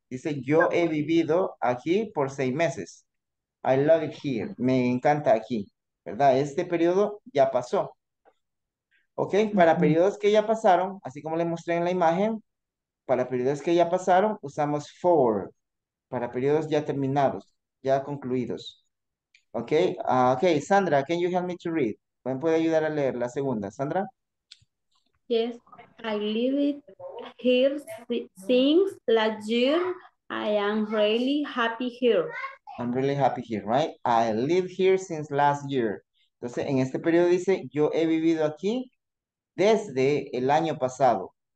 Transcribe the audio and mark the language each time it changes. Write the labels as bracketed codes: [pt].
[es] Dice, yo he vivido aquí por 6 meses. [en] I love it here. [es] Me encanta aquí, ¿verdad? Este periodo ya pasó. Ok, para periodos que ya pasaron, así como les mostré en la imagen, para periodos que ya pasaron, usamos for, para periodos ya terminados, ya concluidos. [en] Ok, okay, Sandra, can you help me to read? [es] ¿Quién puede ayudar a leer la segunda, Sandra? [en] Yes, I lived here since last year. I am really happy here. I'm really happy here, right? I lived here since last year. [es] Entonces, en este periodo dice, yo he vivido aquí desde el año pasado.